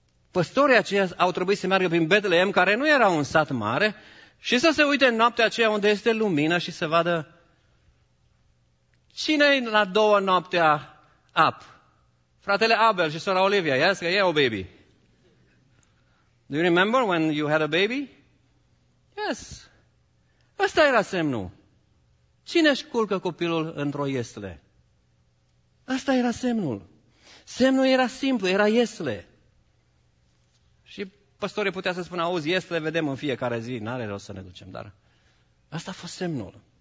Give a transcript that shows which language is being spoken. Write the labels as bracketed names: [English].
[Romanian] Păstorii aceia au trebuit să meargă prin Betleem, care nu era un sat mare, și să se uite în noaptea aceea unde este lumină și să vadă cine-i la două noaptea up. Fratele Abel și sora Olivia, yes, că ei au baby. [English] Do you remember when you had a baby? [Romanian] Yes. Ăsta era semnul. Cine-și culcă copilul într-o iesle? Ăsta era semnul. Semnul era simplu, era iesle. Și păstorii putea să spună, auzi, iesle, vedem în fiecare zi, n-are rost să ne ducem, dar ăsta a fost semnul.